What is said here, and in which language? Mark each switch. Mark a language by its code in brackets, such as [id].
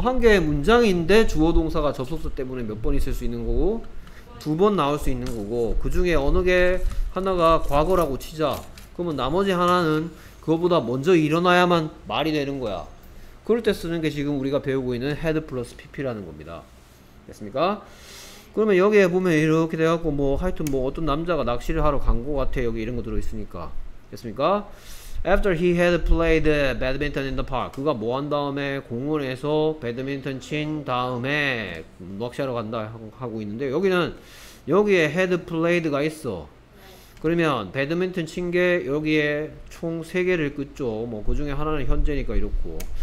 [ko] 한 개 문장인데 주어 동사가 접속사 때문에 몇 번 있을 수 있는 거고 두 번 나올 수 있는 거고 그 중에 어느 게 하나가 과거라고 치자. 그러면 나머지 하나는 그거보다 먼저 일어나야만 말이 되는 거야. 그럴 때 쓰는 게 지금 우리가 배우고 있는 [en] head plus pp [ko] 라는 겁니다. 됐습니까? 그러면 여기에 보면 이렇게 돼갖고 뭐 하여튼 뭐 어떤 남자가 낚시를 하러 간 것 같아. 여기 이런 거 들어있으니까. 됐습니까? [en] After he had played badminton in the park. [ko] 그가 뭐 한 다음에 공원에서 배드민턴 친 다음에 낚시하러 간다 하고 있는데 여기는 여기에 [en] had played [ko] 가 있어. 그러면 배드민턴 친 게 여기에 총 3개를 끄죠. 뭐 그 중에 하나는 현재니까 이렇고.